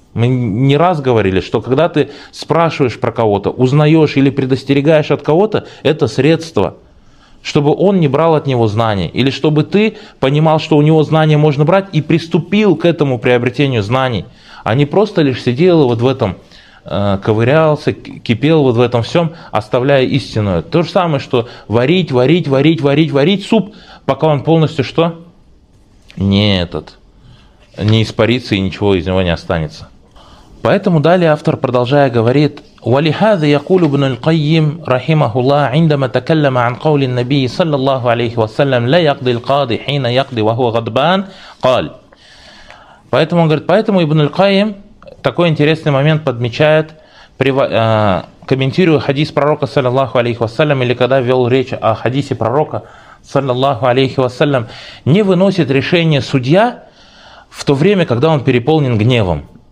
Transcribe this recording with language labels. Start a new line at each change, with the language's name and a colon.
Russian: Мы не раз говорили, что когда ты спрашиваешь про кого-то, узнаешь или предостерегаешь от кого-то, это средство, чтобы он не брал от него знания, или чтобы ты понимал, что у него знания можно брать, и приступил к этому приобретению знаний, а не просто лишь сидел вот в этом, ковырялся, кипел вот в этом всем, оставляя истинную. То же самое, что варить суп, пока он полностью что? Не этот... не испарится и ничего из него не останется. Поэтому далее автор продолжая говорит:
Arabic: وَلِهَذَا يَقُولُ بْنُ الْقَيِّمِ رَحِمَهُ اللَّهُ عِنْدَمَا تَكَلَّمَ عَنْ قَوْلِ النَّبِيِّ صَلَّى اللَّهُ عَلَيْهِ وَسَلَّمَ لَيَقْضِي الْقَاضِي حِينَ يَقْضِي وَهُوَ غَضْبَانٌ قَالَ.
Russian: Поэтому он говорит, поэтому Ибн аль-Кайим такой интересный момент подмечает, комментируя хадис пророка саллаллаху алейхи вассалям, или когда вел речь о хадисе пророка саллаллаху алейхи вассалям, не выносит решение судья в то время, когда он переполнен гневом.